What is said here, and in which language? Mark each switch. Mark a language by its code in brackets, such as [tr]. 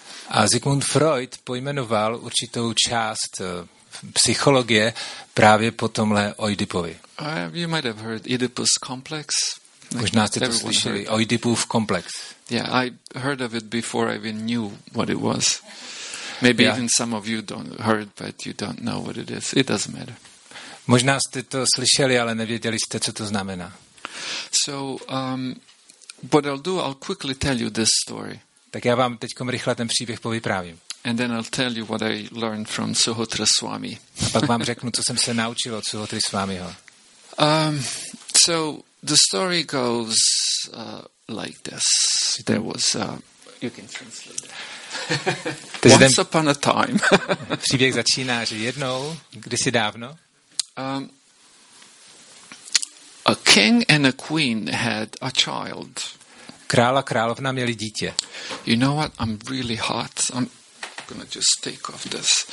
[cs] A Sigmund Freud pojmenoval určitou část psychologie právě po tomhle Oidipovi. [en] You might have heard Oedipus complex. [cs] Možná jste to slyšeli, Oidipův komplex. [en] Yeah, I heard of it before I even knew what it was. Maybe even some of you don't heard, but you don't know what it is. It doesn't matter. [cs] Možná jste to slyšeli, ale nevěděli jste, co to znamená. [en] So, what I'll do, I'll quickly tell you this story. [cs] Tak já vám teďkom rychle ten příběh povyprávím. [en] And then I'll tell you what I learned from Suhotra Swami. [cs] A pak vám řeknu, co jsem se naučil od Suhotry Swamiho. [en] So the story goes like this. There was you can translate. Once upon a time. [cs] Příběh začíná, že jednou, kdysi dávno. [en] A king and a queen had a child. [cs] Král a královna měli dítě. [en] You know what? I'm really hot. I'm gonna just take off this.